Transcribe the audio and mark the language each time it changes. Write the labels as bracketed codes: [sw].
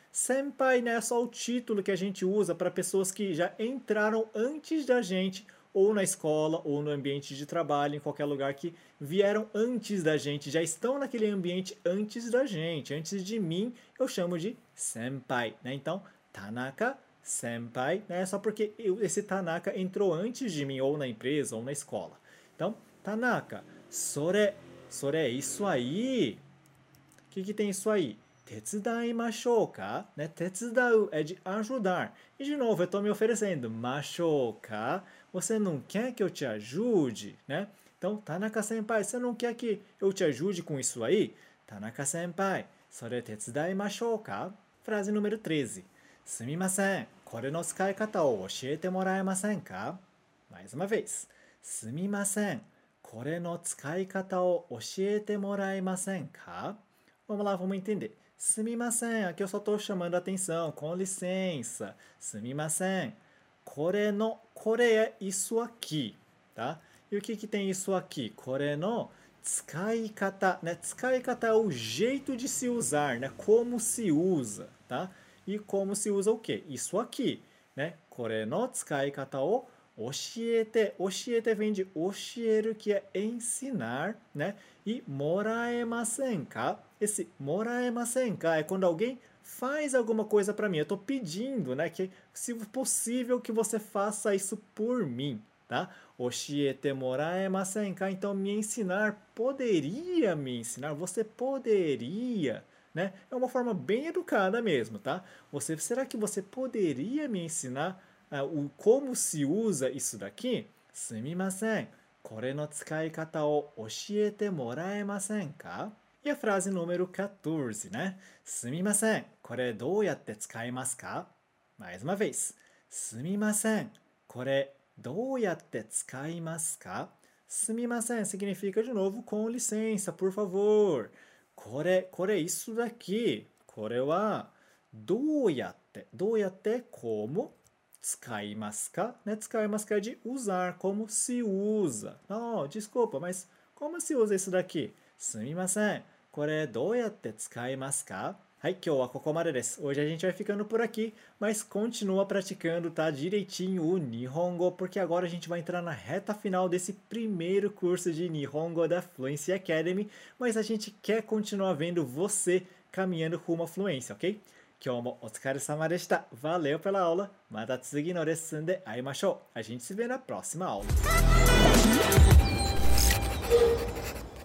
[pt] Senpai, né, é só o título que a gente usa para pessoas que já entraram antes da gente, ou na escola, ou no ambiente de trabalho, em qualquer lugar que vieram antes da gente, já estão naquele ambiente antes da gente, antes de mim, eu chamo de senpai, né? Então, Tanaka... Senpai, né? Só porque eu, esse Tanaka entrou antes de mim, ou na empresa, ou na escola. Então, Tanaka, [ja] sore, sore, [pt] isso aí. O que, que tem isso aí? [ja] 手伝いましょうか、ね、手伝う、 [pt] de ajudar. E de novo, eu estou me oferecendo, [ja] ましょうか、 [pt] você não quer que eu te ajude, né? Então, Tanaka-senpai, você não quer que eu te ajude com isso aí? [ja] Tanaka-senpai, それ手伝いましょうか? [pt] Frase número 13. [ja] すみません、これの使い方を教えてもらえませんか? [pt] Mais uma vez. [ja] すみません、これの使い方を教えてもらえませんか? [pt] Vamos lá, vamos entender. [ja] すみません、 [pt] aqui eu só estou chamando a atenção, com licença. [ja] すみません、これの、これ [pt] é isso aqui, tá? E o que, que tem isso aqui? [ja] これの使い方、 [pt] né? [ja] 使い方 [pt] é o jeito de se usar, né? Como se usa, tá? E como se usa o quê? Isso aqui, né? [ja] これの使い方を教えて、教えて [pt] vem de [ja] 教える [pt] que é ensinar, né? [ja] E もらえませんか? [pt] Esse [ja] もらえませんか? [pt] É quando alguém faz alguma coisa para mim. Eu estou pedindo, né? Que, se possível, que você faça isso por mim. Tá? [ja] Oshiete moraemasen ka? [pt] Então, me ensinar, poderia me ensinar? Você poderia, né? É uma forma bem educada mesmo, tá? Você, será que você poderia me ensinar como se usa isso daqui? [ja] Sumimasen, kore no tsukai kata o oshiete moraemasen ka? [pt] E a frase número 14, né? [ja] Sumimasen, kore dou yatte tsukaimasu ka? [pt] Mais uma vez. [ja] Sumimasen, koreどうやって使いますか? すみません [pt] significa de novo com licença, por favor. [ja] これ、これ [pt] isso daqui. [ja] これはどうやって、どうやって [pt] como [ja] 使いますか? [pt] Né? [ja] 使いますか [pt] de usar, como se usa. Não, desculpa, mas como se usa isso daqui? [ja] すみません。これどうやって使いますか?はい、今日はここまでです。 [pt] Hoje a gente vai ficando por aqui, mas continua praticando, tá? Direitinho o Nihongo, porque agora a gente vai entrar na reta final desse primeiro curso de Nihongo da Fluency Academy, mas a gente quer continuar vendo você caminhando rumo à fluência, ok? [ja] 今日もお疲れ様でした。 [pt] Valeu pela aula! [ja] また次のレッスンで会いましょう! [pt] A gente se vê na próxima aula!